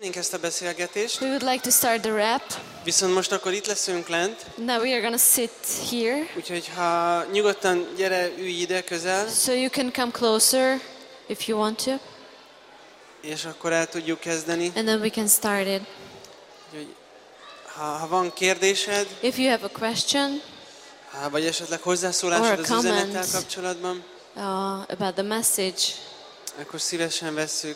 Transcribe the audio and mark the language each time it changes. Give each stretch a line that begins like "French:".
Hungarian: szeretnénk ezt a beszélgetést.
English: We would like to start the rap.
Hungarian: Viszont most akkor itt leszünk lent.
English: Now we are gonna sit here.
Hungarian: Úgyhogy ha nyugodtan gyere, ülj ide közel.
English: So you can come closer if you want to.
Hungarian: És akkor el tudjuk kezdeni.
English: And then we can start it.
Hungarian: Ha van kérdésed,
English: if you have a question,
Hungarian: vagy esetleg hozzászólásod az üzenettel kapcsolatban,
English: about the message,
Hungarian: akkor szívesen vesszük.